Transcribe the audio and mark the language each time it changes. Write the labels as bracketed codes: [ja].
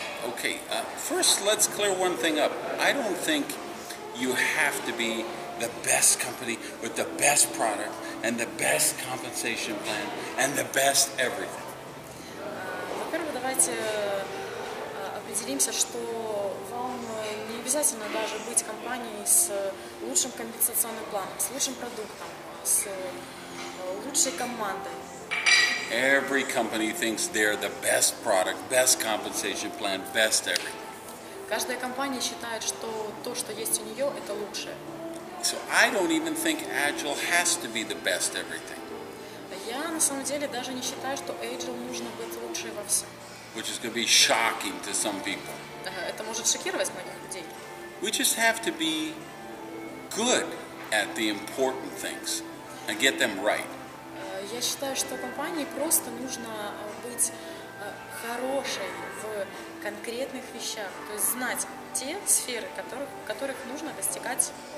[en] Okay, first let's clear one thing up. I don't think you have to be the best company with the best product and the best compensation plan and the best everything. [ru] Во-первых, давайте определимся, что вам не обязательно даже быть компанией с лучшим компенсационным планом, с лучшим продуктом, с лучшей командой. [en] Every company thinks they're the best product, best compensation plan, best everything. [ru] Каждая компания считает, что то, что есть у нее, это лучшее. [en] So I don't even think Agile has to be the best everything. [ru] Я на самом деле даже не считаю, что Agile нужно быть лучшей во всем. [en] Which is going to be shocking to some people. [ru] Это может шокировать многих людей. [en] We just have to be good at the important things and get them right. [ru] Я считаю, что компании просто нужно быть хорошей в конкретных вещах, то есть знать те сферы, которых нужно достигать.